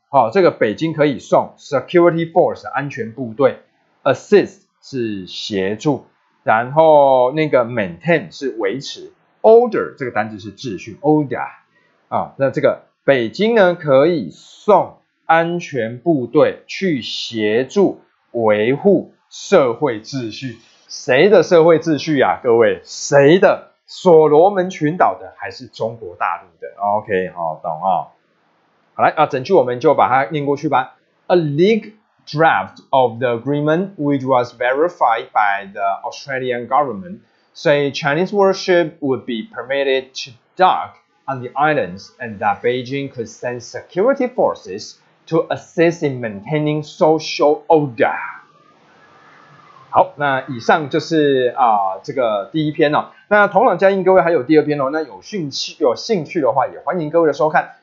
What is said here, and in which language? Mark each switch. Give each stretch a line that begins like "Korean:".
Chinese: 好，哦，这个北京可以送 security force 安全部队 ，assist 是协助，然后那个 maintain 是维持 ，order 这个单字是秩序 ，order 啊，哦，那这个北京呢可以送安全部队去协助维护社会秩序，谁的社会秩序啊？各位，谁的？所罗门群岛的还是中国大陆的 ？OK， 好，哦，懂啊，哦。好来啊，整句我们就把它念过去吧。
English: A leaked draft of the agreement, which was verified by the Australian government, say Chinese warship would be permitted to dock on the islands, and that Beijing could send security forces to assist in maintaining social order.
Chinese: 好，那以上就是这个第一篇哦。那同朗加映各位还有第二篇哦，那有兴趣的话也欢迎各位的收看。